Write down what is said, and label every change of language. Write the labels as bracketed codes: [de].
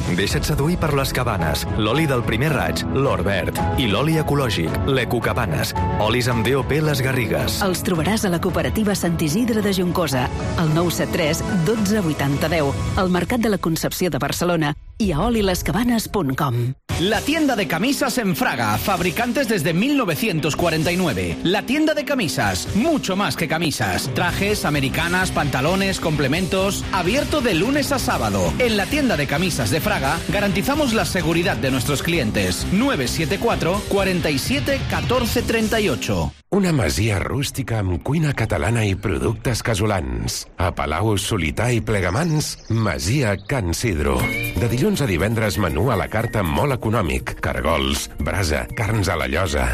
[ca] Deixa't seduir per les cabanes, l'oli del primer raig, l'or verd, i l'oli ecològic, l'ecocabanes, olis amb DOP Les Garrigues. Els trobaràs a la cooperativa Sant Isidre de Juncosa, al 973-128010, al Mercat de la Concepció de Barcelona i a olilescabanes.com. [es] La tienda de camisas en Fraga, fabricantes desde 1949. La tienda de camisas, mucho más que camisas. Trajes, americanas, pantalones, complementos, abierto de lunes a sábado. En la tienda de camisas de Fraga, garantizamos la seguridad de nuestros clientes. 974-47-1438. [ca] Una masia rústica amb cuina catalana i productes casolans. A Palau Solità i Plegamans, Masia Can Cidro. De dilluns a divendres, menú a la carta molt econòmic. Cargols, brasa, carns a la llosa.